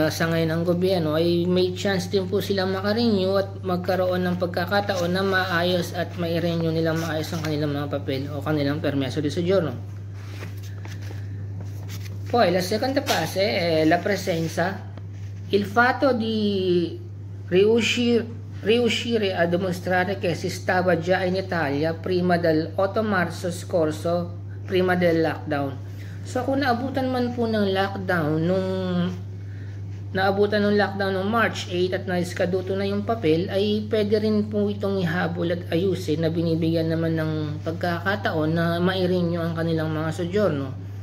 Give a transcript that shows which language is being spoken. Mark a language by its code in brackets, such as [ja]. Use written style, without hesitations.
[tl] sangay ng gobyerno ay may chance din po silang makarenew at magkaroon ng pagkakataon na maayos at mai-renew nila maayos ang kanilang mga papel o kanilang permiso de soggiorno. [it] Poi la seconda fase è la presenza. Il fatto di riuscire a dimostrare che si stava già in Italia prima del 8 marzo scorso, prima del lockdown. [tl] So, kung naabutan man po ng lockdown ng March 8 at naiskaduto na yung papel, ay pwede rin po itong ihabol at ayusin na binibigyan naman ng pagkakataon na mairenew ang kanilang mga sojourno.